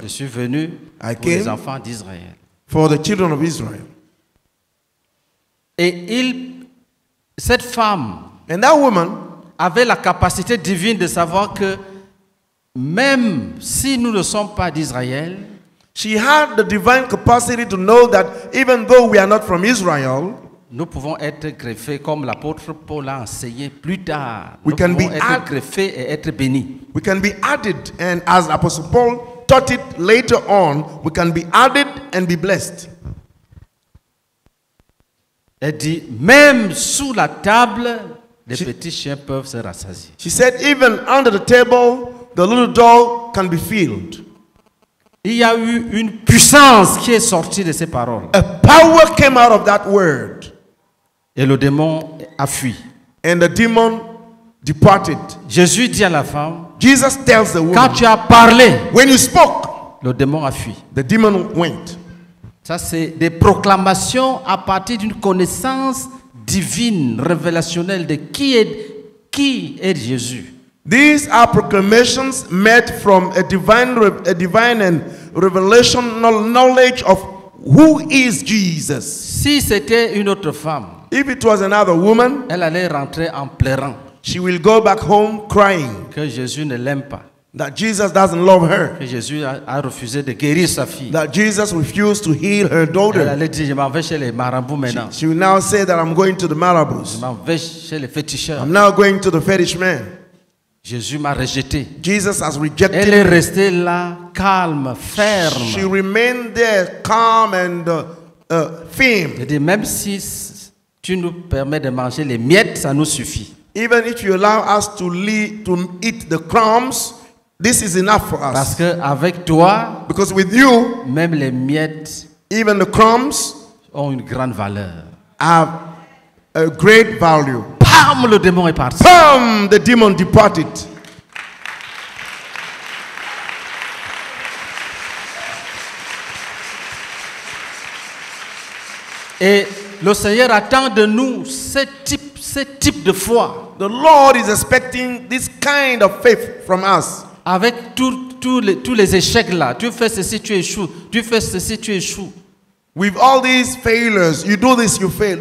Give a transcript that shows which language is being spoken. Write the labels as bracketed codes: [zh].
[fr] Je suis venu [en] I [fr] pour les enfants d'Israël. [en] For the children of Israel. [fr] Et il, cette femme, [en] and that woman, [fr] avait la capacité divine de savoir que même si nous ne sommes pas d'Israël, [en] she had the divine capacity to know that even though we are not from Israel, [fr] nous pouvons être greffés comme l'apôtre Paul a enseigné plus tard. [en] We [fr] nous [en] can [fr] pouvons [en] be [fr] être [en] add, [fr] greffés et être bénis. [en] We can be added, and as Apostle Paul taught it later on, we can be added and be blessed. [fr] Elle dit, même sous la table, les petits chiens peuvent se rassasier. [en] She said, even under the table, the little dog can be filled. [fr] Il y a eu une puissance qui est sortie de ces paroles. [en] A power came out of that word. [fr] Et le démon a fui. [en] And the demon departed. [fr] Jésus dit à la femme, [en] Jesus tells the woman, [fr] quand tu as parlé, [en] when you spoke, [fr] le démon a fui. [en] The demon went. [fr] Ça c'est des proclamations à partir d'une connaissance divine, révélationnelle de qui est Jésus. [en] These are proclamations made from a divine and revelational knowledge of who is Jesus. [fr] Si c'était une autre femme, [en] if it was another woman, [fr] elle allait rentrer en pleurant. [en] She will go back home crying. [fr] Que Jésus ne l'aime pas. [en] That Jesus doesn't love her. [fr] Que Jésus a refusé de guérir sa fille. [en] That Jesus refused to heal her daughter. [fr] Elle allait dire, je m'en vais chez les marabouts maintenant. [en] She will now say that I'm going to the marabouts. [fr] Je m'en vais chez les féticheurs. [en] I'm now going to the fetish man. [fr] Jésus m'a rejeté. [en] Jesus has rejected [fr] me. Elle est restée là, calme, ferme. [en] She remained there, calm and firm. [fr] Elle dit, même si tu nous permets de manger les miettes, ça nous suffit. [en] Even if you allow us to eat the crumbs, this is enough for us. [fr] Parce que avec toi, [en] because with you, [fr] même les miettes, [en] even the crumbs, [fr] ont une grande valeur. [en] Have a great value. [fr] Bam, le démon est parti. [en] Bam, the demon departed. [fr] Et le Seigneur attend de nous ce type de foi. [en] The Lord is expecting this kind of faith from us. [fr] Avec tous les échecs là, tu fais ceci, tu échoues, tu fais ceci, tu échoues. [en] With all these failures, you do this, you fail.